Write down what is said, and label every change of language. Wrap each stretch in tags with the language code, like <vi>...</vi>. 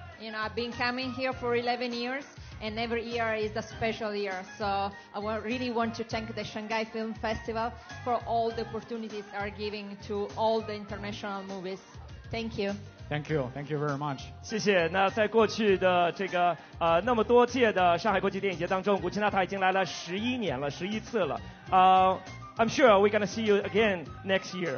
<en>You know, I've been coming here for 11 years and every year is a special year, so I really want to thank the Shanghai Film Festival for all the opportunities are giving to all the international movies. Thank you. Thank you very much.</en> <zh>谢谢。那在过去的这个那么多届的上海国际电影节当中，古琴娜塔已经来了11年了，11次了。</zh> <en>I'm sure we're gonna see you again next year.</en>